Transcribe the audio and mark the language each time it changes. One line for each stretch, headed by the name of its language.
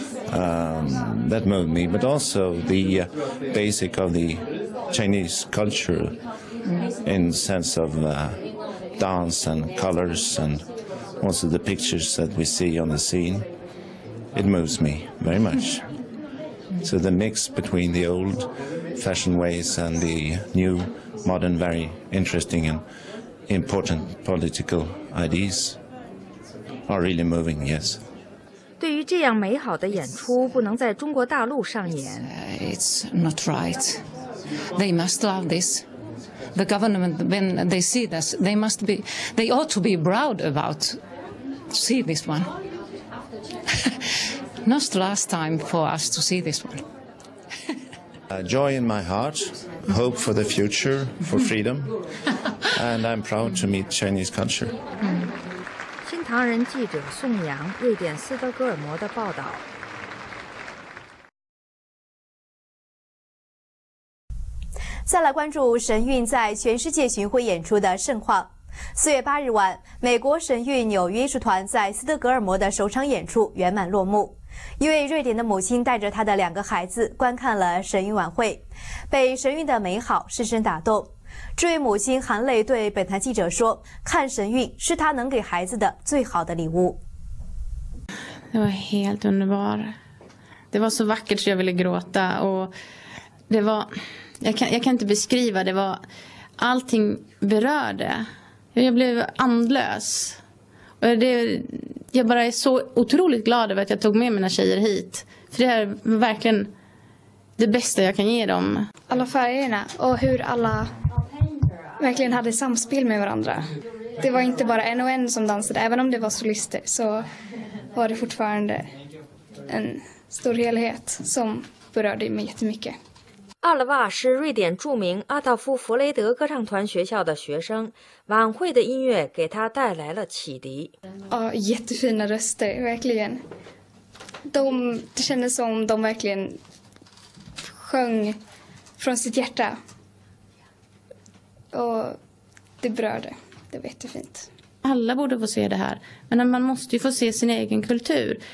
English: That moved me, but also the basic of the Chinese culture in the sense of dance and colors and also the pictures that we see on the scene. It moves me very much. So the mix between the old fashion ways and the new modern very interesting and important political ideas are really moving, yes.
Chinese: 对于这样美好的演出不能在中国大陆上演
English: It's not right. They must love this. The government, when they see this, they ought to be proud about see this one. Not last time for us to see this one. joy in my heart, hope for the future, for freedom, and I'm proud to meet Chinese culture.
Chinese: 新唐人记者宋阳，瑞典斯德哥尔摩的报道。再来关注神韵在全世界巡回演出的盛况。四月八日晚，美国神韵纽约艺术团在斯德哥尔摩的首场演出圆满落幕。一位瑞典的母亲带着她的两个孩子观看了神韵晚会，被神韵的美好深深打动。这位母亲含泪对本台记者说，看神韵是她能给孩子的最好的礼物。
Swedish: Det var helt underbart. Det var så vackert så jag ville gråta. Och det var, jag kan inte beskriva, det var allting berörde. Jag blev andlös. Och det, jag bara är så otroligt glad över att jag tog med mina tjejer hit. För det här är verkligen det bästa jag kan ge dem. Alla färgerna och hur alla verkligen hade samspel med varandra. Det var inte bara en och en som dansade, även om det var solister, så var det fortfarande en stor helhet som berörde mig jättemycket.
Chinese: Alva 是瑞典著名阿道夫·弗雷德歌唱团学校的学生，晚会的音乐给他带来了启迪。
Swedish: Ja, jättefina röster, verkligen. Det kändes som de verkligen sjöng från sitt hjärta. Och det berörde. Det var jättefint. Alla borde få se det här. Men man måste ju få se sin egen kultur.